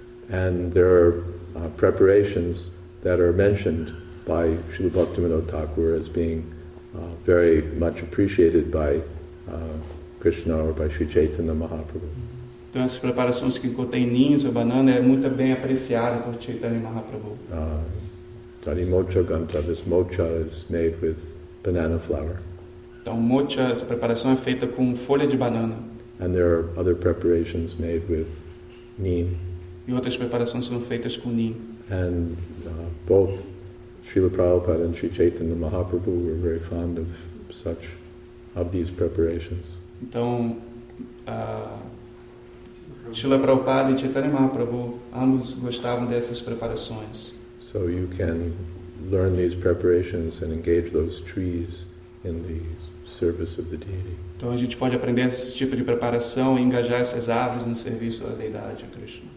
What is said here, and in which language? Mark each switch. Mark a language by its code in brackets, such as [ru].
[en] And there are preparations that are mentioned by Srila Bhaktivinoda Thakur as being very much appreciated by Krishna or by Sri Chaitanya Mahaprabhu. [pt] Então, essas preparações que contêm ninhos ou banana é muito bem apreciada por Chaitanya Mahaprabhu. [en] Tani mocha ganta, this mocha is made with banana flour. [pt] Então, mocha, essa preparação é feita com folha de banana. [en] And there are other preparations made with neem. [pt] E outras preparações são feitas com neem. [en] And both Srila Prabhupada and Sri Chaitanya Mahaprabhu were very fond of such of these preparations. [pt] Então, Srila Prabhupada e Chaitanya Mahaprabhu, ambos gostavam dessas preparações. [en] So you can learn these preparations and engage those trees in the service of the deity. [pt] Então a gente pode aprender esse tipo de preparação e engajar essas árvores no serviço à deidade, a Krishna.